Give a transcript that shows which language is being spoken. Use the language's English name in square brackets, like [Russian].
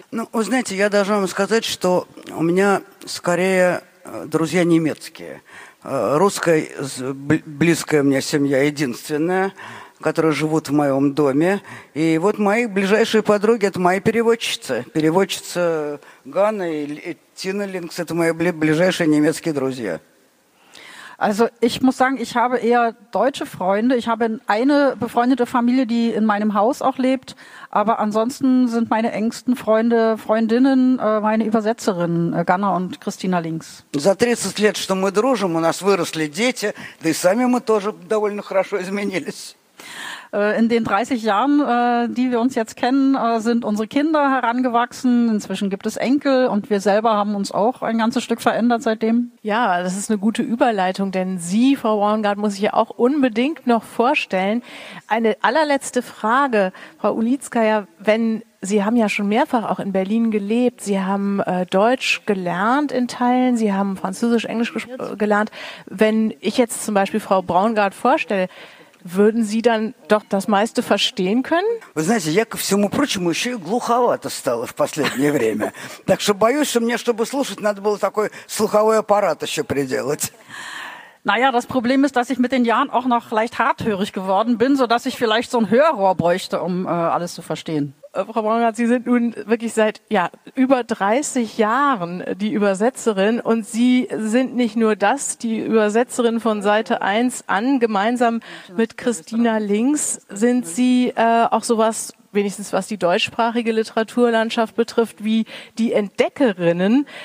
[Russian] Ну, вы знаете, я должен вам сказать, что у меня скорее друзья немецкие. Русская близкая мне семья единственная, которые живут в моем доме. И вот мои ближайшие подруги – это мои переводчицы. Переводчица Ганна и Тина Линкс – это мои ближайшие немецкие друзья. [German] Also, ich muss sagen, ich habe eher deutsche Freunde. Ich habe eine befreundete Familie, die in meinem Haus auch lebt. Aber ansonsten sind meine engsten Freunde, Freundinnen, meine Übersetzerin, Ганна und Christina Линкс. [Russian] За 30 лет, что мы дружим, у нас выросли дети, да и сами мы тоже довольно хорошо изменились. [German] In den 30 Jahren, die wir uns jetzt kennen, sind unsere Kinder herangewachsen. Inzwischen gibt es Enkel und wir selber haben uns auch ein ganzes Stück verändert seitdem. Ja, das ist eine gute Überleitung, denn Sie, Frau Wormgard, muss ich ja auch unbedingt noch vorstellen. Eine allerletzte Frage, Frau Ulitskaya, wenn Sie haben ja schon mehrfach auch in Berlin gelebt, Sie haben Deutsch gelernt in Teilen, Sie haben Französisch, Englisch gelernt. Wenn ich jetzt zum Beispiel Frau Wormgard vorstelle, würden Sie dann doch das meiste verstehen können? [Russian] Вы знаете, я ко всему прочему еще и глуховато стало в последнее время. Так что боюсь, что мне, чтобы слушать, надо было такой слуховой аппарат еще приделать. [German] Naja, das Problem ist, dass ich mit den Jahren auch noch leicht harthörig geworden bin, sodass ich vielleicht so ein Hörrohr bräuchte, um alles zu verstehen. Frau Wormgard, Sie sind nun wirklich seit ja, über 30 Jahren die Übersetzerin und Sie sind nicht nur das, die Übersetzerin von Seite 1 an, gemeinsam mit Christina Links sind Sie auch sowas, wenigstens was die deutschsprachige Literaturlandschaft betrifft, wie die Entdeckerinnen.